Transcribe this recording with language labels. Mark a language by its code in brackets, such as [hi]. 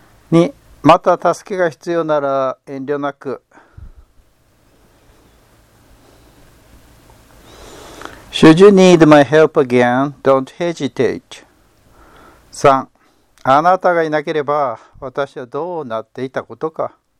[ja] 二、また助けが必要なら遠慮なく。 [en] Should you need my help again, don't hesitate. [ja] 三、あなたがいなければ私はどうなっていたことか。